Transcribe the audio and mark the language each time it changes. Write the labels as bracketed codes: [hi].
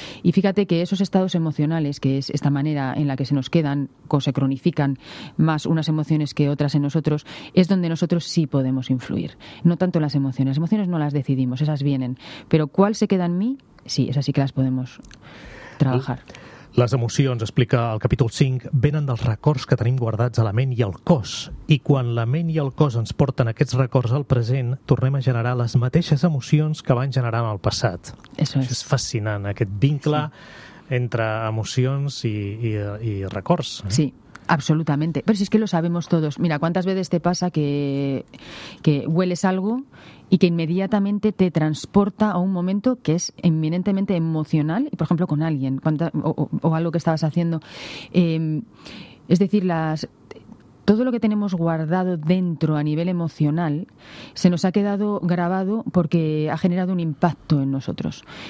[es] Y fíjate que esos estados emocionales, que es esta manera en la que se nos quedan, o se cronifican más unas emociones que otras en nosotros, es donde nosotros sí podemos influir. No tanto las emociones. Las emociones no las decidimos, esas vienen. Pero ¿cuál se queda en mí? Sí, esas sí que las podemos trabajar. [ca] Les emocions, explica el capítol 5, venen dels records que tenim guardats a la ment i al cos. I quan la ment i el cos ens porten aquests records al present, tornem a generar les mateixes emocions que van generar en el passat. [es] Eso [ca] es. Això és fascinant, aquest vincle entre emocions i records. [es] Sí. Absolutamente. Pero si es que lo sabemos todos. Mira, ¿cuántas veces te pasa que hueles algo y que inmediatamente te transporta a un momento que es eminentemente emocional? Por ejemplo, con alguien o algo que estabas haciendo. Es decir, todo lo que tenemos guardado dentro a nivel emocional se nos ha quedado grabado porque ha generado un impacto en nosotros.